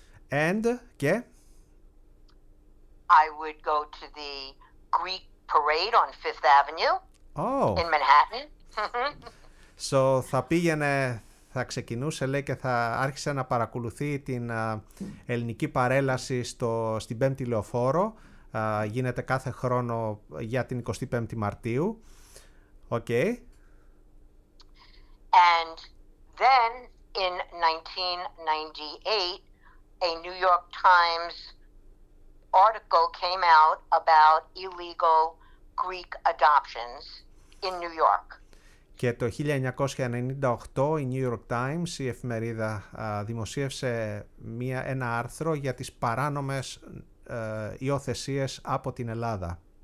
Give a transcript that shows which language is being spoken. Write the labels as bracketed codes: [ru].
[en] I would go to the Greek parade on Fifth Avenue. Oh. In Manhattan. [el] So, θα ξεκινούσε, λέει, και θα άρχισε να παρακολουθεί την ελληνική παρέλαση στην Πέμπτη Λεωφόρο. Γίνεται κάθε χρόνο για την 25η Μαρτίου. [en] Okay. And then in 1998, a New York Times article came out about illegal Greek adoptions in New York. [el] Και το 1998 η New York Times, η εφημερίδα, δημοσίευσε ένα άρθρο για τις παράνομες υιοθεσίες από την Ελλάδα.